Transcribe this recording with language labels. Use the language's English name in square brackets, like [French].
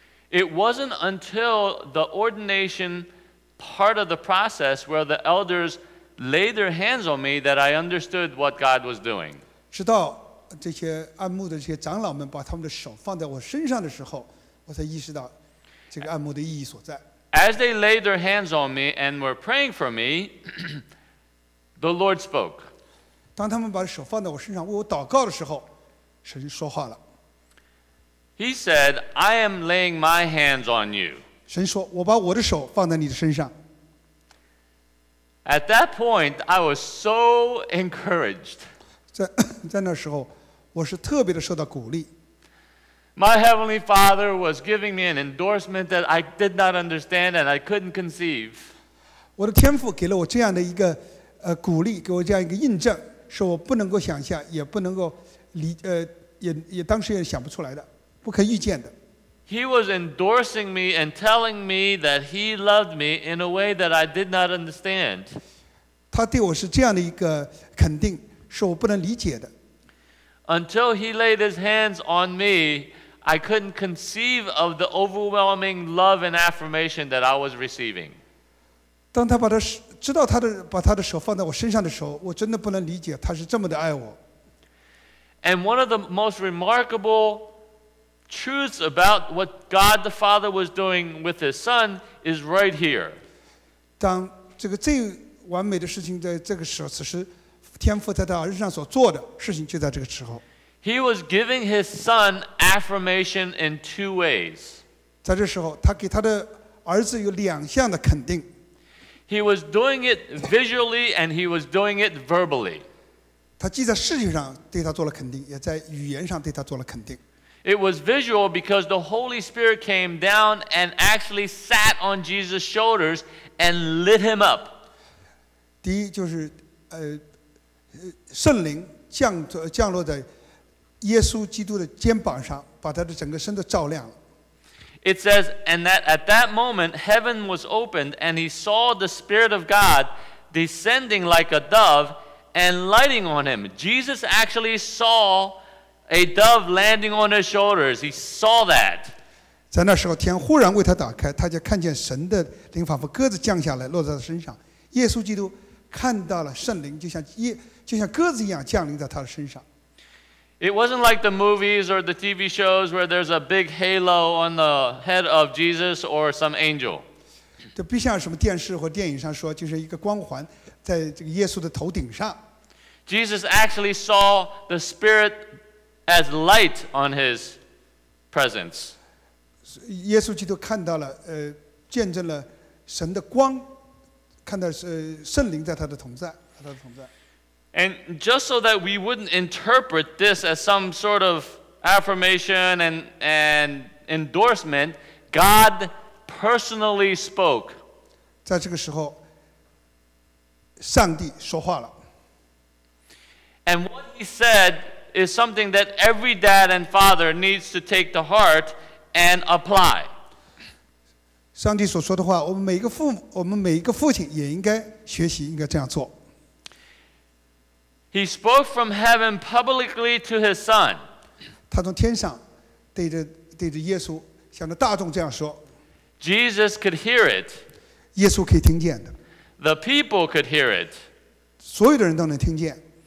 [English] It wasn't until the ordination part of the process where the elders laid their hands on me that I understood what God was doing. [Chinese] 直到这些按牧的这些长老们把他们的手放在我身上的时候，我才意识到这个按牧的意义所在。 [English] As they laid their hands on me and were praying for me, the Lord spoke. [Chinese] 当他们把手放在我身上为我祷告的时候，神说话了。 [English] He said, I am laying my hands on you. [Chinese] 神说，我把我的手放在你的身上。 [English] At that point, I was so encouraged. [Chinese] 在那时候，我是特别的受到鼓励。 [English] My Heavenly Father was giving me an endorsement that I did not understand and I couldn't conceive. [Chinese] 我的天父给了我这样的一个鼓励，给我这样一个印证，是我不能够想象，也不能够理也当时也想不出来的，不可预见的。 [English] He was endorsing me and telling me that he loved me in a way that I did not understand. [Chinese] 他对我是这样的一个肯定，是我不能理解的。 [English] Until he laid his hands on me, I couldn't conceive of the overwhelming love and affirmation that I was receiving. [Chinese] 当他把他知道他的把他的手放在我身上的时候，我真的不能理解他是这么的爱我。 [English] And one of the most remarkable truths about what God the Father was doing with His Son is right here. [Chinese] 当这个最完美的事情在这个时候，此时。天父在他儿子上所做的事情就在这个时候。 [English] He was giving his son affirmation in two ways. [Chinese] 在这时候，他给他的儿子有两项的肯定。 [English] He was doing it visually and he was doing it verbally. [Chinese] 他既在视觉上对他做了肯定，也在语言上对他做了肯定。 [English] It was visual because the Holy Spirit came down and actually sat on Jesus' shoulders and lit him up. [Chinese] 第一就是圣灵 降落在耶稣基督的肩膀上，把他的整个身都照亮了。 [English] It says, and that at that moment heaven was opened, and he saw the Spirit of God descending like a dove and lighting on him. Jesus actually saw a dove landing on his shoulders. He saw that. [Chinese] 在那时候，天忽然为他打开，他就看见神的灵仿佛鸽子降下来，落在他身上。耶稣基督看到了圣灵，就像鸽子一样降临在他的身上。 [English] It wasn't like the movies or the TV shows where there's a big halo on the head of Jesus or some angel. [Chinese] 这不像什么电视或电影上说，就是一个光环在这个耶稣的头顶上。 [English] Jesus actually saw the Spirit as light on his presence. [Chinese] 耶稣基督看到了，见证了神的光，看到圣灵在他的同在，和他的同在。 [English] And just so that we wouldn't interpret this as some sort of affirmation and endorsement, God personally spoke. [Chinese] 在这个时候，上帝说话了。 [English] And what he said is something that every dad and father needs to take to heart and apply. [Chinese] 上帝所说的话，我们每一个父亲也应该学习，应该这样做。 [English] He spoke from heaven publicly to his son. [Chinese] 他从天上对着耶稣向着大众这样说。 [English] Jesus could hear it. [Chinese] 耶稣可以听见的。 [English] The people could hear it. [Chinese] 所有的人都能听见。